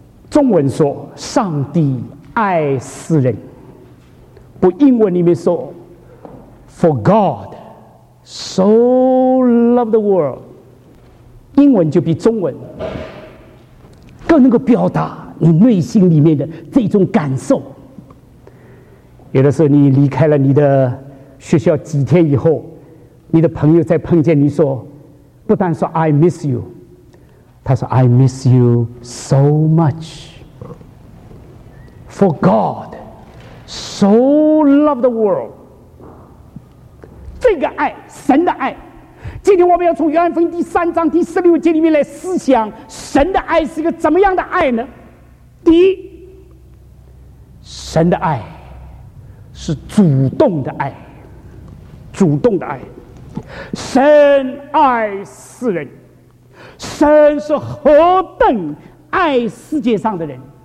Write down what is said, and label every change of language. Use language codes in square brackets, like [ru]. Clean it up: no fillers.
[zh] 中文说上帝爱世人，不，英文里面说 [en] For God so love the world， [zh] 英文就比中文更能够表达你内心里面的这种感受。有的时候你离开了你的学校几天以后，你的朋友再碰见你说，不但说 [en] I miss you， [zh] 他说 [en] I miss you so much。 For God so love the world， 这个爱，神的爱。 [zh] 今天我们要从约翰福音第三章第十六节里面来思想神的爱是一个怎么样的爱呢？第一，神的爱是主动的爱，主动的爱。神爱世人，神是何等爱世界上的人。